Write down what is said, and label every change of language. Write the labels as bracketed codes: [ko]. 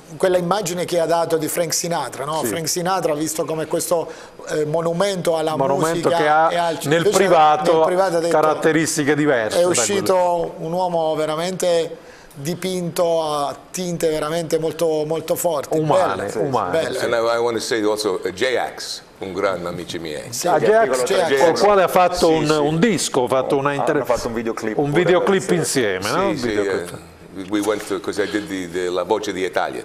[it] Quella immagine che ha dato di Frank Sinatra, no? Sì. Frank Sinatra visto come questo monumento alla monumento musica che ha e al... nel privato detto, caratteristiche diverse. È uscito un uomo veramente dipinto a tinte veramente molto, molto forti. Umane. [en] And I want to say also J-Ax. [it] un grande amici miei. Sì, Ajax, con il quale ha fatto un disco, ha fatto un videoclip. Un videoclip insieme, no? Sì, un videoclip. [en] We went to, [it] cos'è, [en] la voce di Italia.